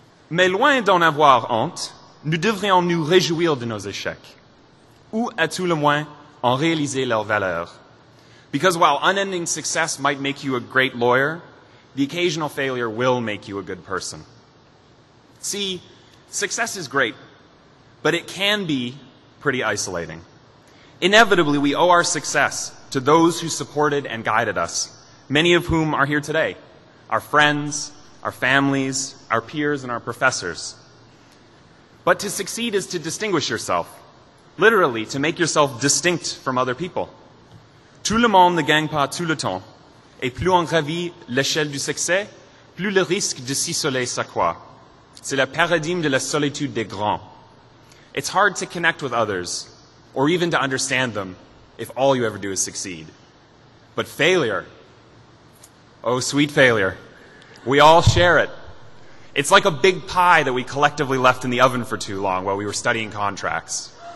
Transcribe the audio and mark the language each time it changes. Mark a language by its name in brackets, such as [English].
[French] Mais loin d'en avoir honte, nous devrions nous réjouir de nos échecs, ou à tout le moins en réaliser leur valeur. [English] Because while unending success might make you a great lawyer, the occasional failure will make you a good person. See, success is great, but it can be pretty isolating. Inevitably, we owe our success to those who supported and guided us, many of whom are here today, our friends, our families, our peers, and our professors. But to succeed is to distinguish yourself, literally to make yourself distinct from other people. [French] Tout le monde ne gagne pas tout le temps, et plus on gravit l'échelle du succès, plus le risque de s'isoler s'accroît. C'est le paradigme de la solitude des grands. [English] It's hard to connect with others, or even to understand them, if all you ever do is succeed. But failure, oh sweet failure, we all share it. It's like a big pie that we collectively left in the oven for too long while we were studying contracts.